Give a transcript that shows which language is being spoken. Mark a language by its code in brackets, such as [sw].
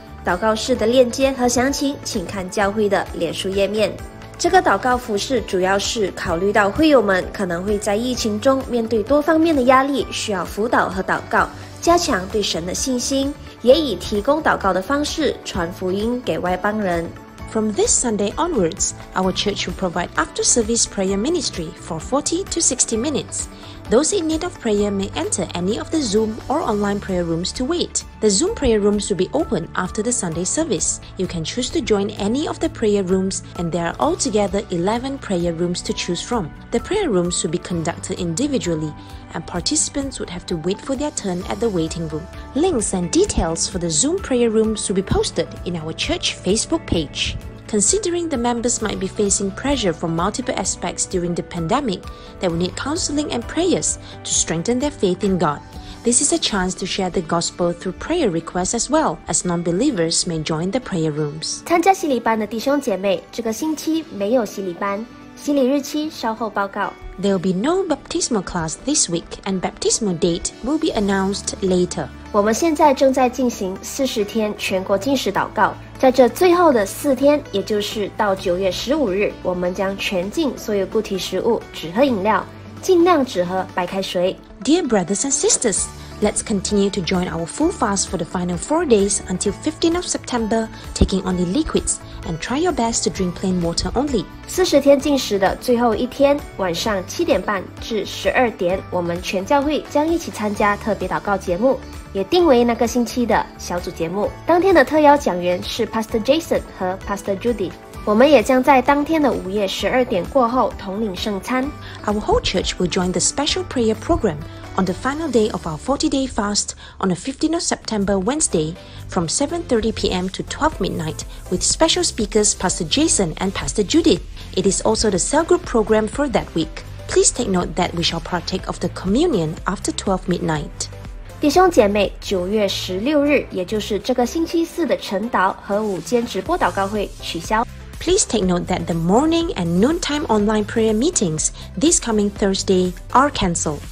[zh] 祷告室的链接和详情请看教会的脸书页面。这个祷告服事主要是考虑到会友们可能会在疫情中面对多方面的压力，需要辅导和祷告，加强对神的信心，也以提供祷告的方式传福音给外邦人。 [en] From this Sunday onwards, our church will provide after-service prayer ministry for 40 to 60 minutes. Those in need of prayer may enter any of the Zoom or online prayer rooms to wait. The Zoom prayer rooms will be open after the Sunday service. You can choose to join any of the prayer rooms, and there are altogether 11 prayer rooms to choose from. The prayer rooms will be conducted individually, and participants would have to wait for their turn at the waiting room. Links and details for the Zoom prayer rooms will be posted in our church Facebook page. Considering the members might be facing pressure from multiple aspects during the pandemic, they will need counseling and prayers to strengthen their faith in God. This is a chance to share the gospel through prayer requests as well, as non-believers may join the prayer rooms. [zh] 参加洗礼班的弟兄姐妹，这个星期没有洗礼班，洗礼日期稍后报告。 [en] There will be no baptismal class this week, and baptismal date will be announced later. [zh] 我们现在正在进行40天全国禁食祷告。在这最后的四天，也就是到9月15日，我们将全禁所有固体食物，只喝饮料，尽量只喝白开水。 [en] Dear brothers and sisters, let's continue to join our full fast for the final 4 days until 15th of September, taking only liquids and try your best to drink plain water only. [zh] 四十天禁食的最后一天，晚上7:30至12:00，我们全教会将一起参加特别祷告节目。也定为那个星期的小组节目。当天的特邀讲员是 Pastor Jason 和 Pastor Judy。我们也将在当天的午夜12:00过后统领圣餐。 [en] Our whole church will join the special prayer program on the final day of our 40-day fast on the 15th of September, Wednesday, from 7:30 p.m. to 12:00 midnight with special speakers Pastor Jason and Pastor Judy. It is also the cell group program for that week. Please take note that we shall partake of the communion after 12 midnight. [zh] 弟兄姐妹，九月十六日，也就是这个星期四的晨祷和午间直播祷告会取消。 [en] Please take note that the morning and noontime online prayer meetings this coming Thursday are cancelled.